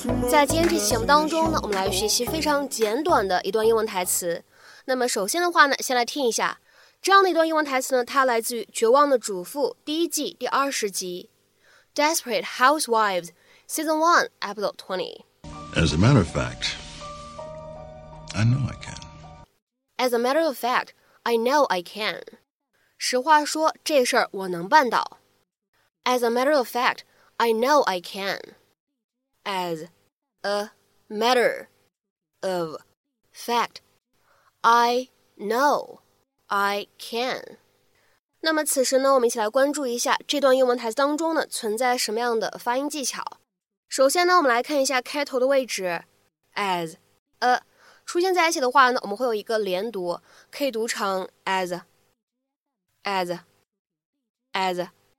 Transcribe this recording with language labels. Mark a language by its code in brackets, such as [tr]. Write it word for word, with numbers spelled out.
[zh] 在今天这期节目当中呢，我们来学习非常简短的一段英文台词。那么首先的话呢，先来听一下这样的一段英文台词呢，它来自于《绝望的主妇》第一季第二十集，《Desperate Housewives》Season One Episode Twenty。 [en] As a matter of fact, I know I can. As a matter of fact, I know I can. [zh] 实话说，这事儿我能办到。 [en] As a matter of fact, I know I can. As a matter of fact, I know I can. [zh] 那么此时呢，我们一起来关注一下这段英文台词当中呢存在什么样的发音技巧。首先呢，我们来看一下开头的位置 as a 出现在一起的话呢，我们会有一个连读，可以读成 as as as。